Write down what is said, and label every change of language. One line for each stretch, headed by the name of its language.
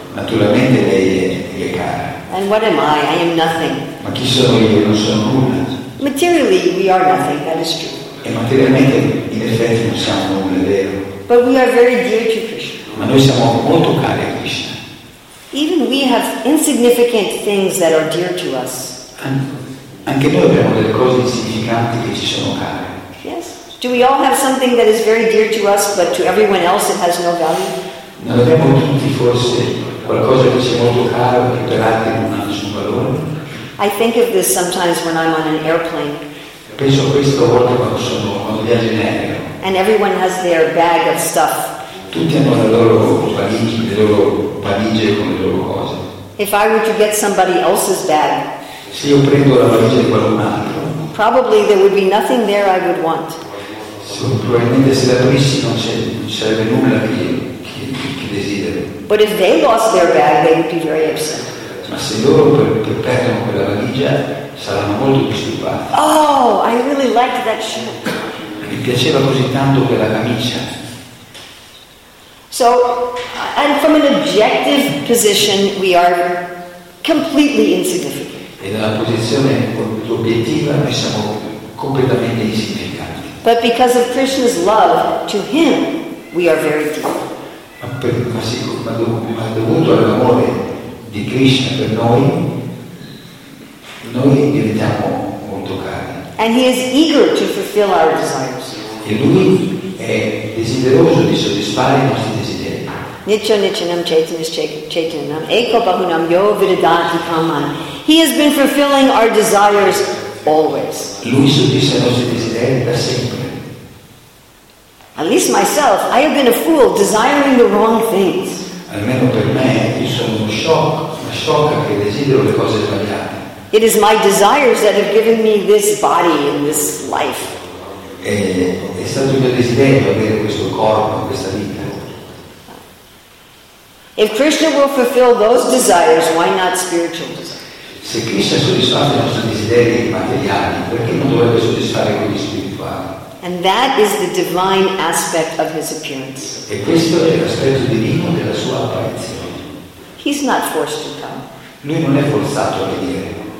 Italian: Naturalmente lei è cara.
English: And what am I? I am nothing.
Italian: Ma chi sono io? Non sono nulla.
English: Materially, we are nothing, that is true.
Italian: E materialmente, in effetti, non siamo nulla, è vero.
English: But we are very dear to Krishna.
Italian: Ma noi siamo molto cari a Krishna.
English: Even we have insignificant things that are dear to us.
Italian: Anche noi abbiamo delle cose insignificanti che ci sono care.
English: Yes. Do we all have something that is very dear to us, but to everyone else it has no value?
Italian: Non abbiamo tutti forse qualcosa che sia molto caro che per altri non ha nessun valore?
English: I think of this sometimes when I'm on an airplane.
Italian: Penso a questo a volte quando sono quando viaggio in aereo.
English: And everyone has their bag of stuff.
Italian: Tutti hanno le loro valigie con le loro cose.
English: If I were to get somebody else's bag.
Italian: Se io prendo la valigia di qualcun altro.
English: Probably there would be nothing there I would want.
Italian: Probabilmente se la aprissi non sarebbe nulla che desidero.
English: But if they lost their bag, they would be very upset.
Italian: ma se loro perdono quella valigia saranno molto disturbati.
English: Oh, I really liked that shirt.
Italian: Mi piaceva così tanto quella camicia.
English: So, and from an objective position, we are completely insignificant.
Italian: E dalla posizione obiettiva noi siamo completamente insignificanti.
English: But because of Krishna's love to him, we are very deep.
Italian: Ma dovuto all'amore di Krishna per noi, noi diventiamo molto cari.
English: And he is eager to fulfill our desires.
Italian: E lui è desideroso di soddisfare i nostri desideri.
Sanskrit: Nitya nityanam chaitanam eko bahunam yo viridanti kaman.
English: He has been fulfilling our desires always.
Italian: Lui soddisfa i nostri desideri da sempre.
English: At least myself, I have been a fool desiring the wrong things.
Italian: Almeno per me, io sono una sciocca che desidero le cose sbagliate.
English: It is my desires that have given me this body and this life.
Italian: È stato il mio desiderio avere questo corpo, questa vita.
English: If Krishna will fulfill those desires, why not spiritual desires?
Italian: Se Krishna soddisfasse i nostri desideri materiali, perché non dovrebbe soddisfare quelli spirituali?
English: And that is the divine aspect of his appearance.
Italian: E questo è l'aspetto divino della sua apparizione.
English: He's not forced to come.
Italian: Lui non è forzato a venire.